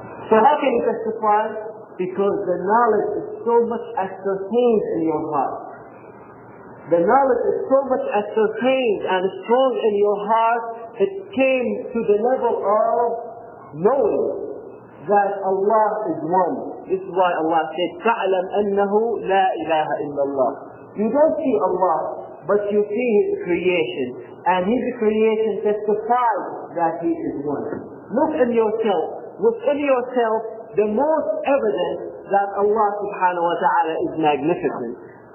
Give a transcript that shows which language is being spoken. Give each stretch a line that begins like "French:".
English: So how can you testify? Because the knowledge is so much ascertained in your heart. The knowledge is so much ascertained and strong in your heart, it came to the level of knowing that Allah is one. This is why Allah said,
Arabic: تَعْلَمْ أَنَّهُ لَا إِلَهَ إِلَّا اللَّهُ.
English: You don't see Allah, but you see His creation. And His creation testifies that He is one. Look in yourself. Within yourself, the most evident that Allah subhanahu wa ta'ala is magnificent.